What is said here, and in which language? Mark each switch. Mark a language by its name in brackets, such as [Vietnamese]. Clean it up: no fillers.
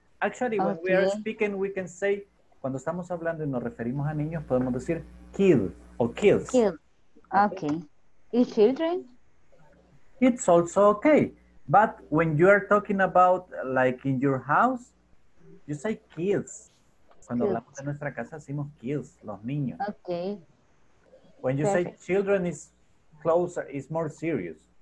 [English] Actually, when we are speaking, we can say, [Spanish] cuando estamos hablando y nos referimos a niños, podemos decir [English] kid or kids. Kid. Okay. Is children? It's also okay. But when you are talking about, like, in your house, you say kids. [Spanish] Cuando kids. Hablamos de nuestra casa, decimos kids, los niños. [English] Okay. When you perfect. Say children, is closer, is more serious.